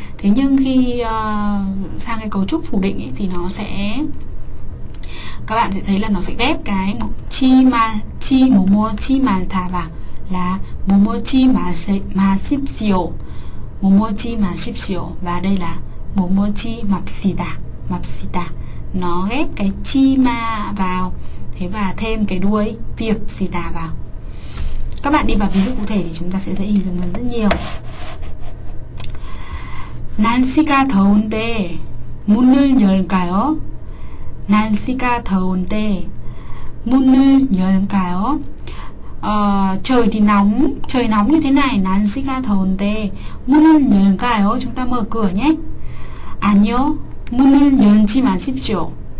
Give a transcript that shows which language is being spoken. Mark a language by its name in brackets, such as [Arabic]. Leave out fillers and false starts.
[Vietnamese] Thế nhưng khi sang cái cấu trúc phủ định ấy, thì nó sẽ, các bạn sẽ thấy là nó sẽ ghép cái [Korean] 뭐뭐지 말다 [Vietnamese] vào là [Korean] 뭐뭐지 마십시오, 뭐뭐지 마십시오, [Vietnamese] và đây là [Korean] 뭐뭐지 맙시다. [Vietnamese] Nó ghép cái 지마 vào, thế và thêm cái đuôi 삽시다 vào. Các bạn đi vào ví dụ cụ thể thì chúng ta sẽ thấy hình dung hơn rất nhiều. [Korean] 날씨가 더운데 문을 열까요? 날씨가 더운데 문을 열까요? [Vietnamese] Trời thì nóng, trời nóng như thế này, [Korean] 날씨가 더운데 문을 열까요? [Vietnamese] Chúng ta mở cửa nhé. [Korean] 아니요, 문을 열지 마십시오.